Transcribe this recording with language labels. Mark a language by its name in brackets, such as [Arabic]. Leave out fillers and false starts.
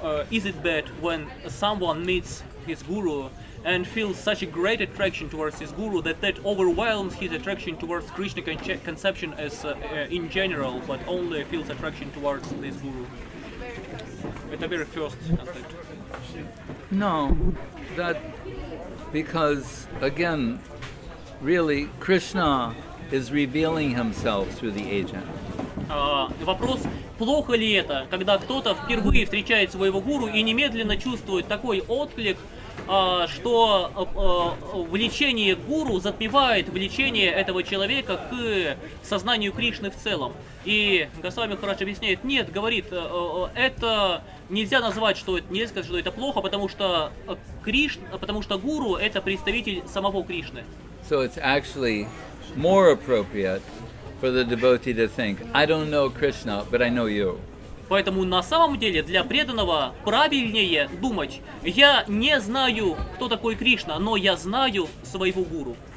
[English] Is it bad when someone meets his guru and feels such a great attraction towards his guru that overwhelms his attraction towards Krishna conception as in general, but only feels attraction towards this guru? It's the very first aspect. No, that because again, really, Krishna is revealing himself through the agent. [Russian] Вопрос. Плохо ли это, когда кто-то впервые встречает своего гуру и немедленно чувствует такой отклик что влечение гуру затмевает влечение этого человека к сознанию Кришны в целом. И Госвами Махарадж объясняет, нет, говорит, это нельзя назвать, что это, нельзя сказать, что это плохо, потому что гуру это представитель самого Кришны. [English] So it's actually more appropriate for the devotee to think, I don't know Krishna, but I know you. [Russian] Поэтому на самом деле для преданного правильнее думать, я не знаю, кто такой Кришна, но я знаю своего гуру.